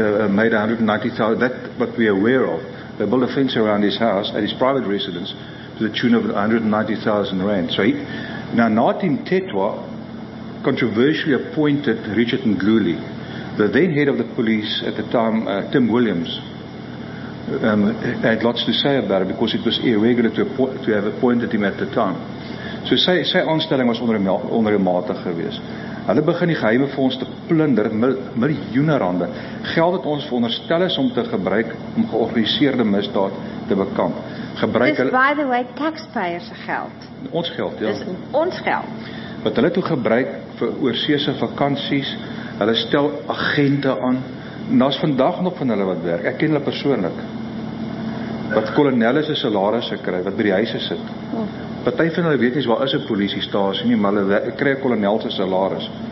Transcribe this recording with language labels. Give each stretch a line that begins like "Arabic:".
English: Made 190,000, that what we are aware of. They built a fence around his house at his private residence to the tune of 190,000 rand. So now Nati Mtetwa controversially appointed Richard Ngluli, the then head of the police at the time, Tim Williams, had lots to say about it because it was irregular to have appointed him at the time.
Afrikaans: So sy aanstelling was onreëlmatig gewees. Hulle begin die geheime fonds te plunder, miljoene rande. Geld het ons veronderstel is om te gebruik om georganiseerde misdaad te bekamp. Gebruik hulle,
English: by the way,
Afrikaans: taxpayers geld. Ons geld, ja. Dis ons geld. Wat hulle toe gebruik vir oorseese vakansies, hulle stel agente aan. En daar is vandag nog van hulle wat werk. Ek ken hulle persoonlik. Wat kolonelle se salarisse kry, wat by die huise sit. Party van hulle weet nie waar is 'n polisiestasie nie, maar hulle kry 'n kolonel se salaris.